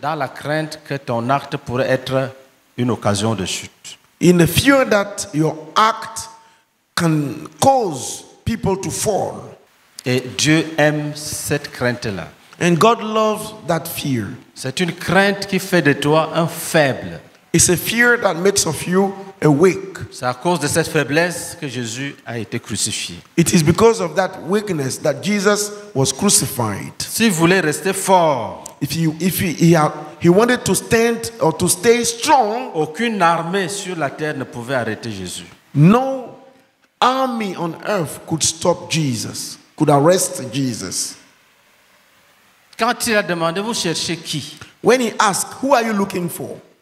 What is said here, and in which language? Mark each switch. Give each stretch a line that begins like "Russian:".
French: Dans la crainte que ton acte pourrait être une occasion de chute.
English: In the fear that your act can cause people to fall.
French: Et Dieu aime cette crainte-là.
English: And God loves that fear.
French: C'est une crainte qui fait de toi un faible.
English: It's a fear that makes of you weak.
French: C'est à cause de cette faiblesse que Jésus a été crucifié.
English: It is because of that weakness that Jesus was crucified.
French: S'il voulait rester fort,
English: if he wanted to stand or to stay strong,
French: aucune armée sur la terre ne pouvait arrêter Jésus.
English: No army on earth could stop Jesus, could arrest Jesus.
French: Quand il a demandé, vous cherchez qui?
English: When he asked, who are you looking for?